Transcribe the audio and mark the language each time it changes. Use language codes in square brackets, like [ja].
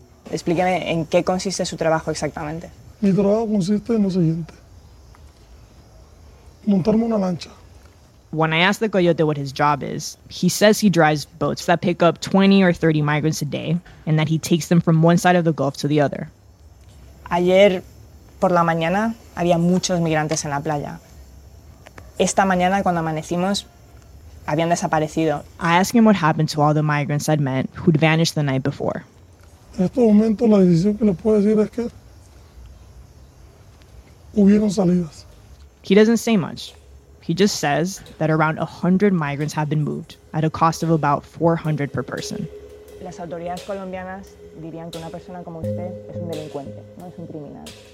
[es] Explíqueme en qué consiste su trabajo exactamente. Mi trabajo consiste en lo siguiente. Montarme una lancha. [en] When I asked the coyote what his job is, he says he drives boats that pick up 20 or 30 migrants a day and that he takes them from one side of the Gulf to the other. [es] Ayer por la mañana había muchos migrantes en la playa. Esta mañana cuando amanecimos habían desaparecido. [en] I asked him what happened to all the migrants I'd met who'd vanished the night before. [es] En este momento la decisión que le puedo decir es que hubieron salidas. [en] He doesn't say much. He just says that around 100 migrants have been moved at a cost of about 400 per person. [es] Las autoridades colombianas dirían que una persona como usted es un delincuente, no es un criminal.